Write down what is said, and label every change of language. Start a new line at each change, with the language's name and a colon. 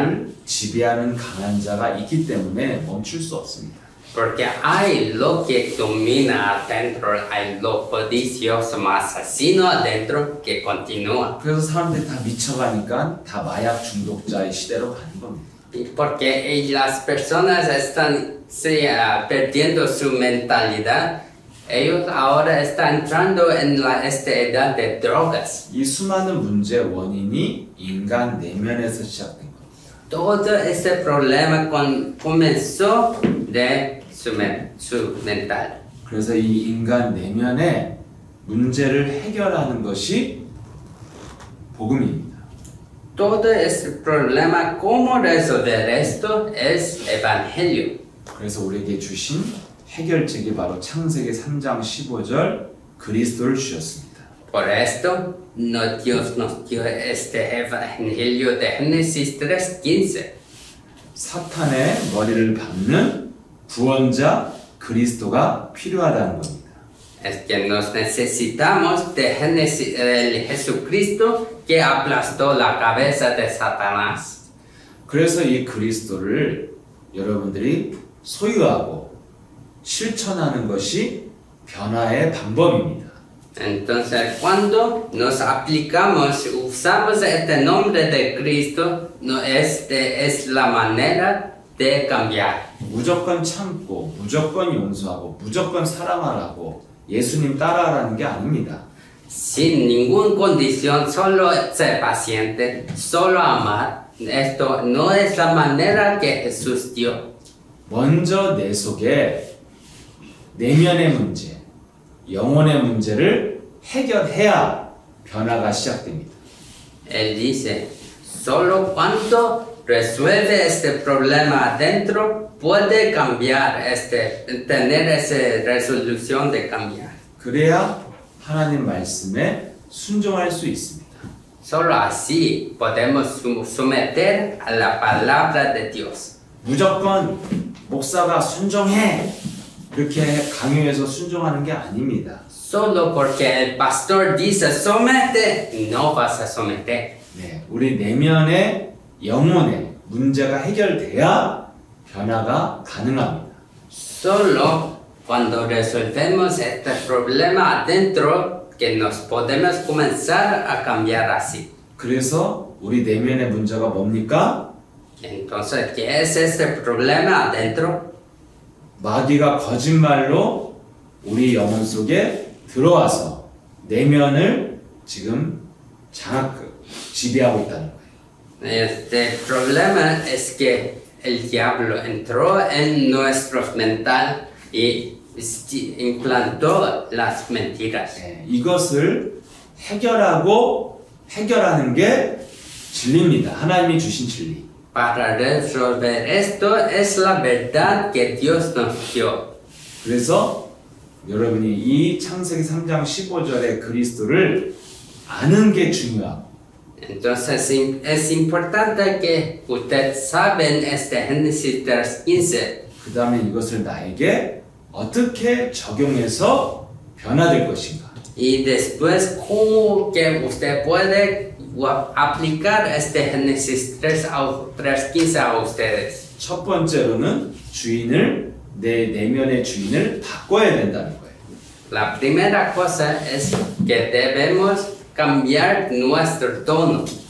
Korean: 나를 지배하는 강한 자가 있기 때문에 멈출 수 없습니다.
Spanish: Porque hay lo que domina adentro, hay lo codicioso asesino adentro que continúa.
Korean: 그래서 사람들이 다 미쳐가니까 다 마약 중독자의 시대로 가는 겁니다.
Spanish: Porque las personas están perdiendo su mentalidad. Ellos ahora están entrando en esta edad de drogas.
Korean: 이 수많은 문제 원인이 인간 내면에서 시작된 겁니다.
Spanish: Todo este problema comenzó de su mental.
Korean: 그래서 이 인간 내면에 문제를 해결하는 것이 복음입니다.
Spanish: Todo este problema, cómo resolver esto, es evangelio.
Korean: 그래서 우리에게 주신 해결책이 바로 창세기 3장 15절 그리스도를 주셨습니다.
Spanish: Por esto, no Dios nos dio este evangelio de Génesis 3:15.
Korean: 사탄의 머리를 박는 구원자 그리스도가 필요하다는 겁니다.
Spanish: Es que nos necesitamos de Génesis, el Jesucristo que aplastó la cabeza de Satanás.
Korean: 그래서 이 그리스도를 여러분들이 소유하고 실천하는 것이 변화의 방법입니다.
Spanish: Entonces, cuando nos aplicamos, usamos este nombre de Cristo, no este es la manera de cambiar.
Korean: 무조건 참고, 무조건 용서하고, 무조건 사랑하라고 예수님 따라하라는 게 아닙니다.
Spanish: Sin ningún condición, solo ser paciente, solo amar. Esto no es la manera que Jesús dio.
Korean: 먼저 내 속에 내면의 문제, 영혼의 문제를 해결해야 변화가 시작됩니다.
Spanish: Él dice, solo cuando resuelve este problema adentro, puede cambiar este, tener esa resolución de cambiar.
Korean: 그래야 하나님 말씀에 순종할 수 있습니다.
Spanish: Solo así podemos someter a la palabra de Dios.
Korean: 무조건 목사가 순종해 이렇게 강요해서 순종하는 게 아닙니다.
Spanish: Solo porque el pastor dice somete, no vas a someter.
Korean: 네, 우리 내면의 영혼의 문제가 해결돼야 변화가 가능합니다.
Spanish: Solo cuando resolvemos este problema adentro, que nos podemos comenzar a cambiar así.
Korean: 그래서 우리 내면의 문제가 뭡니까?
Spanish: Entonces, ¿qué es ese problema adentro?
Korean: 마귀가 거짓말로 우리 영혼 속에 들어와서 내면을 지금 지배하고 있다는 거예요.
Spanish: Este problema es que el diablo entró en nuestro mental y implantó las mentiras.
Korean: 네, 이것을 해결하고 해결하는 게 진리입니다. 하나님이 주신 진리.
Spanish: Para resolver esto es la verdad que Dios nos dio.
Korean: 그래서 여러분이 이 창세기 3장 15절의 그리스도를 아는 게 중요하고.
Spanish: Entonces es importante que usted saben este Génesis 3:15.
Korean: 그 다음에 이것을 나에게 어떻게 적용해서 변화될 것인가.
Spanish: Y después cómo que usted puede aplicar este Génesis 3:15 a ustedes.
Korean: 첫 번째로는 주인을 내 내면의 주인을 바꿔야 된다는 거예요.
Spanish: La primera cosa es que debemos cambiar nuestro tono.